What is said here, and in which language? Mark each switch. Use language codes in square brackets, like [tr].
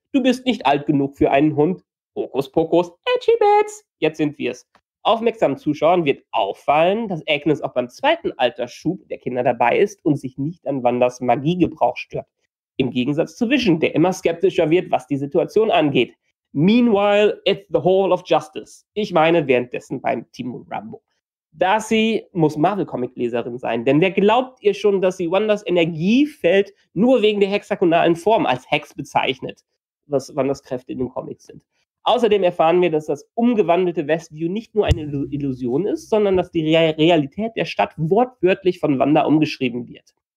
[de] Du bist nicht alt genug für einen Hund. Hokus pokus, edgy bits. Jetzt sind wir's. Aufmerksamen Zuschauern wird auffallen, dass Agnes auch beim zweiten Altersschub der Kinder dabei ist und sich nicht an Wandas Magiegebrauch stört. Im Gegensatz zu Vision, der immer skeptischer wird, was die Situation angeht. [en] Meanwhile, it's the Hall of Justice. [de] Ich meine währenddessen beim Team Rambo. Darcy muss Marvel-Comic-Leserin sein, denn wer glaubt ihr schon, dass sie Wandas Energiefeld nur wegen der hexagonalen Form als Hex bezeichnet, was Wandas Kräfte in den Comics sind? Außerdem erfahren wir, dass das umgewandelte Westview nicht nur eine Illusion ist, sondern dass die Realität der Stadt wortwörtlich von Wanda umgeschrieben wird.